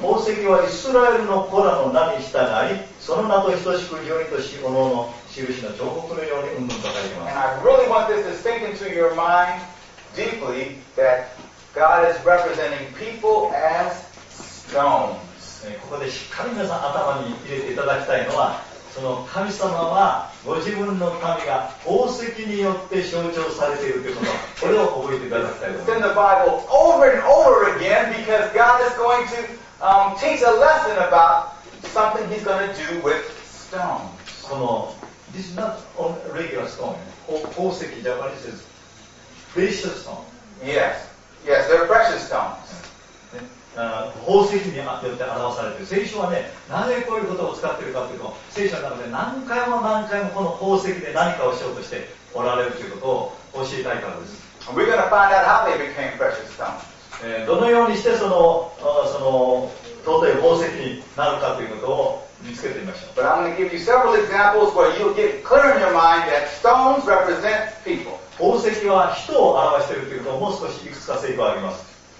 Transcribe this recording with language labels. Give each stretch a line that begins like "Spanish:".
Japanese: 宝石はイスラエルの子らの名に従い、その名と等しく非常にとし、おのおの印の彫刻のようにうんぬんと書いています
English: And I really want this to sink into your mind deeply that God is representing people as stones.
Japanese: ここでしっかり皆さん頭に入れていただきたいのは、その神様はご自分の民が宝石によって象徴されているということ、これを覚えていただきたいと思います。
English: It's in the Bible over and over again because God is going to teach a lesson about something He's going to do with stones. この This is not a regular stone. 宝石、Japanese is precious stone. Yes, yes, they're precious stones.
Japanese: 宝石によって表されている。聖書はね、なぜこういうことを使っているかというと、聖書の中で何回も何回もこの宝石で何かをしようとしておられるということを教えたいからです。
English: We're going to find out how they became precious stones.
Japanese: どのようにしてその尊い宝石になるかということを見つけてみましょう。
English: But I'm going to give you several examples where you'll get clear in your mind that stones represent people.
Japanese: 宝石は人を表しているということをもう少しいくつか成果を挙げます。